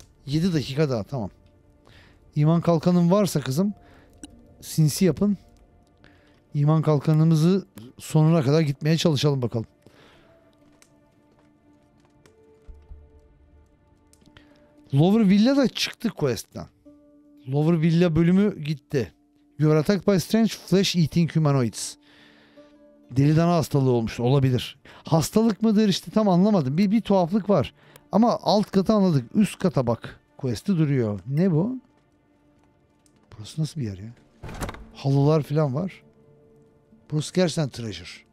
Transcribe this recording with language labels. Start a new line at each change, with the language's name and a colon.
Turkish: 7 dakika daha tamam. İman kalkanım varsa kızım sinsi yapın. İman kalkanımızı sonuna kadar gitmeye çalışalım bakalım. Lower Villa da çıktı quest'ten. Lower Villa bölümü gitti.
English: You are attacked by strange flesh eating humanoids.
Turkish: Deli dana hastalığı olmuş olabilir. Hastalık mıdır işte tam anlamadım. Bir tuhaflık var. Ama alt katı anladık. Üst kata bak. Quest'i duruyor. Ne bu? Burası nasıl bir yer ya? Halılar falan var. Burası gerçekten treasure.